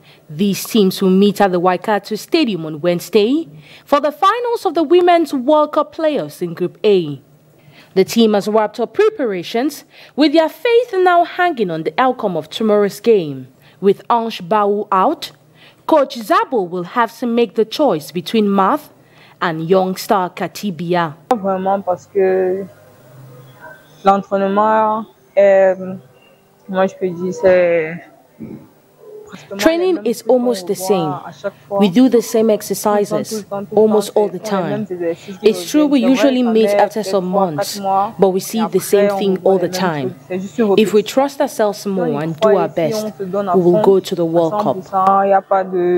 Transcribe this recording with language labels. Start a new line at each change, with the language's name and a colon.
English: These teams will meet at the Waikato Stadium on Wednesday for the finals of the Women's World Cup playoffs in Group A. The team has wrapped up preparations, with their faith now hanging on the outcome of tomorrow's game. With Ange Bahou out, coach Zabo will have to make the choice between Math and young star Kathy Bia.
French: Vraiment parce que l'entraînement, moi je peux dire c'est...
English: Training is almost the same. We do the same exercises almost all the time. It's true we usually meet after some months, but we see the same thing all the time. If we trust ourselves more and do our best, we will go to the World Cup.